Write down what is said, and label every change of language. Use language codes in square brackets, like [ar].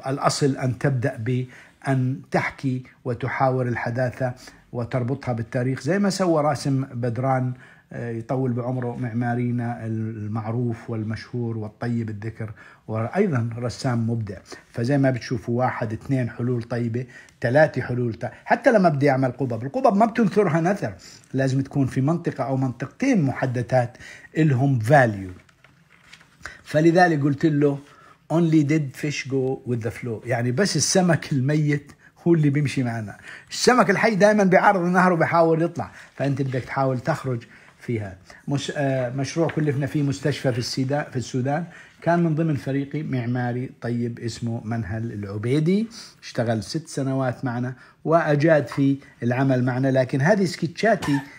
[ar] الأصل أن تبدأ بأن تحكي وتحاور الحداثة وتربطها بالتاريخ زي ما سوى راسم بدران يطول بعمره معمارينا المعروف والمشهور والطيب الذكر وأيضا رسام مبدع. فزي ما بتشوفوا واحد اثنين حلول طيبة ثلاثة حلول حتى لما بدي أعمل قبب. القبب ما بتنثرها نثر لازم تكون في منطقة أو منطقتين محددات إلهم value. فلذلك قلت له [en] only dead fish go with the flow. [ar] يعني بس السمك الميت هو اللي بيمشي معنا. السمك الحي دائما بيعرض النهر وبيحاول يطلع فأنت بدك تحاول تخرج فيها. مشروع كلفنا فيه مستشفى في السودان كان من ضمن فريقي معماري طيب اسمه منهل العبيدي اشتغل 6 سنوات معنا وأجاد في العمل معنا. لكن هذه سكتشاتي